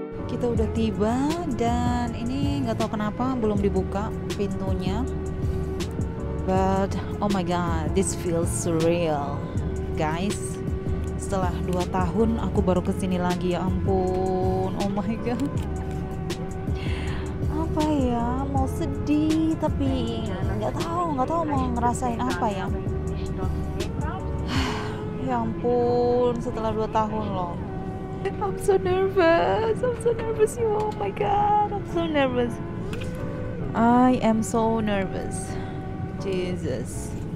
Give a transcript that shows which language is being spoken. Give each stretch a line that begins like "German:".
Indonesian: Kita udah tiba dan ini nggak tahu kenapa belum dibuka pintunya.
English: But oh my god, this feels surreal, guys.
Indonesian: Setelah 2 tahun aku baru kesini lagi, ya ampun,
English: oh my god.
Indonesian: Apa ya, mau sedih tapi nggak tahu mau ngerasain apa ya. Ya ampun, setelah 2 tahun loh.
English: I'm so nervous, you, oh my god, I'm so nervous. I am so nervous, Jesus.